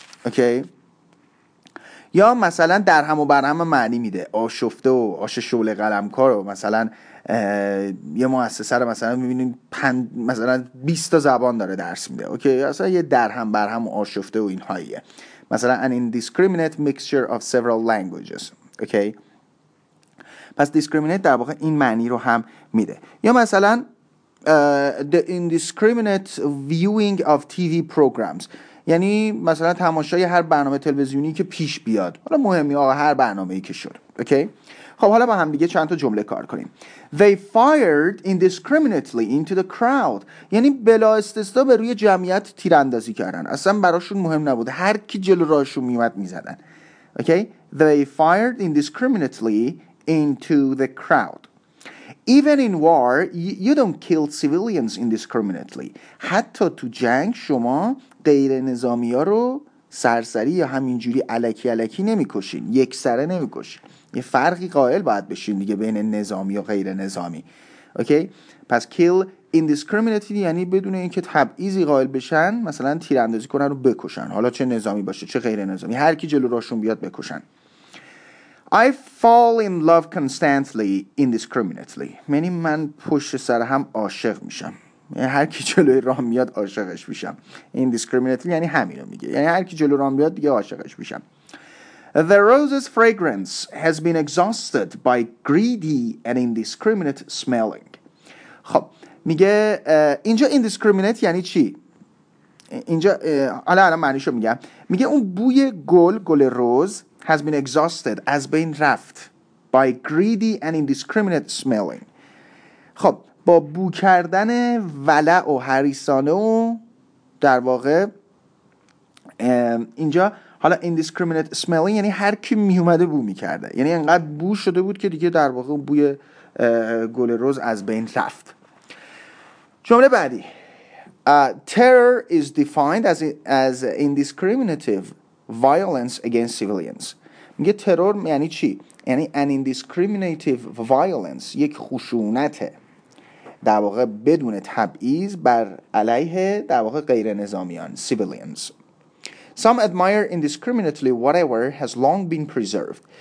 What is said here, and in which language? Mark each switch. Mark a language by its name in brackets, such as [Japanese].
[Persian] اوکی، یا مثلا در هم و بر هم معنی میده، آشفته و آش شول قلمکار. و مثلا یه مؤسسه رو مثلا میبینیم مثلا 20 تا زبان داره درس میده. اوکی، اصلا یه در هم بر هم و آشفته و اینهاییه. [English] مثلا an indiscriminate mixture of several languages. [Persian] اوکی، پس discriminate در واقع این معنی رو هم میده. یا مثلا [English] the indiscriminate viewing of TV programs، [Persian] یعنی مثلا تماشای هر برنامه تلویزیونی که پیش بیاد، حالا مهمی آقا هر برنامه‌ای که شد. اوکی، خب حالا با هم دیگه چند تا جمله کار کنیم. [English] They fired indiscriminately into the crowd، [Persian] یعنی بلا استثنا به روی جمعیت تیراندازی کردن، اصلا براشون مهم نبود، هر کی جلو راهشون میومد میزدن. [English] Okay, They fired indiscriminately into the crowd. Even in war you don't kill civilians indiscriminately. [Persian] حتی تو جنگ شما غیر نظامی ها رو سرسری یا همینجوری علکی علکی نمی کشین، یک سره نمی کشین. یه فرقی قائل باید بشین دیگه بین نظامی و غیر نظامی. اوکی، پس kill indiscriminately یعنی بدون اینکه تبعیضی قائل بشن مثلا تیراندازی کنن رو بکشن، حالا چه نظامی باشه چه غیر نظامی، هر کی جلو راشون بیاد بکشن. [English] I fall in love constantly indiscriminately، [Persian] یعنی من پشت سر هم عاشق میشم، یعنی هر کی جلوی راه میاد عاشقش میشم. indiscriminately یعنی همین رو میگه، یعنی هر کی جلوی راه میاد دیگه عاشقش میشم. [English] The rose's fragrance has been exhausted by greedy and indiscriminate smelling. [Persian] خب میگه اینجا indiscriminate یعنی چی؟ اینجا الان معنیشو میگم. میگه اون بوی گل روز [English] has been exhausted، [Persian] از بین رفت، [English] by greedy and indiscriminate smelling. [Persian] خب با بو کردن ولع و حریصانه و در واقع اینجا حالا indiscriminate smelling یعنی هر کی می اومده بو میکرده، یعنی انقدر بو شده بود که دیگه در واقع بوی گل روز از بین رفت. جمله بعدی، [English] terror is defined as indiscriminative violence against civilians. [Persian] میگه ترور یعنی چی؟ یعنی [English] an indiscriminative violence، [Persian] یک خشونته در واقع بدون تبعیض بر علیه در واقع غیر نظامیان، civilians. [English] Some admire indiscriminately whatever has long been preserved.